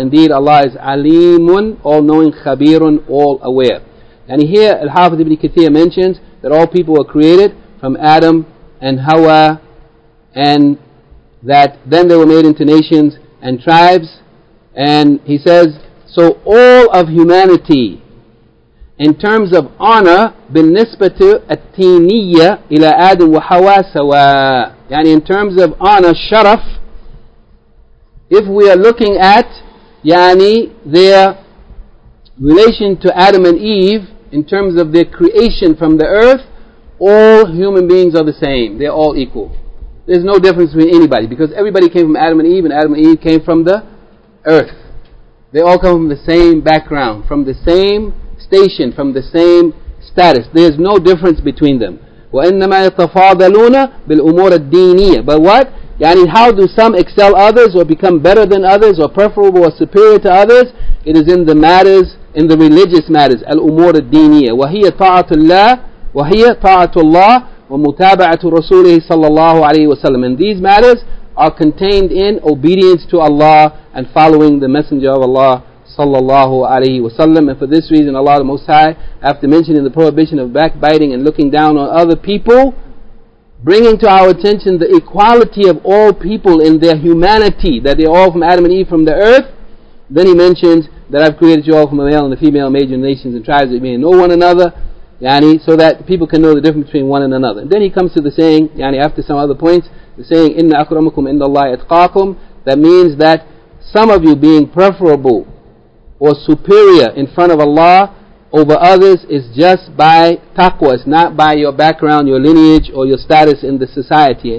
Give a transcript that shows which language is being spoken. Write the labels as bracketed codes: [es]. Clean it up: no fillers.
[en] Indeed, Allah is alimun, all-knowing, khabirun, all-aware. And here, Al-Hafiz ibn Kathir mentions that all people were created from Adam and Hawa, and that then they were made into nations and tribes. And he says, so all of humanity in terms of honor [ar] بالنسبة التينية إلى آدم وحواء سواء. [en] يعني in terms of honor, شرف, if we are looking at يعني their relation to Adam and Eve in terms of their creation from the earth, all human beings are the same. They're all equal. There's no difference between anybody because everybody came from Adam and Eve and Adam and Eve came from the earth. They all come from the same background, from the same station, from the same status. There's no difference between them. [ar] وَإِنَّمَا يَتَفَاضَلُونَ بِالْأُمُورَ الدِّينِيَّةِ [en] But what? يعني how do some excel others or become better than others or preferable or superior to others? It is in the matters, in the religious matters. [ar] الْأُمُورَ الدِّينِيَّةِ وَهِيَ طَاعَةُ اللَّهِ وَهِيَ طَاعَةُ اللَّهِ وَمُتَابَعَةُ رَسُولِهِ صَلَّى اللَّهُ عَلَيْهِ وَسَلَّمَ [en] And these matters are contained in obedience to Allah and following the Messenger of Allah [ar] صلى الله عليه وسلم. [en] And for this reason, Allah the Most High, after mentioning the prohibition of backbiting and looking down on other people, bringing to our attention the equality of all people in their humanity, that they are all from Adam and Eve from the earth, then he mentions that I've created you all from a male and a female, major nations and tribes that you may know one another, yani, so that people can know the difference between one and another. And then he comes to the saying, yani, after some other points, the saying, [ar] إِنَّ أَكْرَمُكُمْ إِنَّ اللَّهِ أَتْقَاكُمْ [en] That means that some of you being preferable or superior in front of Allah over others is just by taqwa, it's not by your background, your lineage, or your status in the society.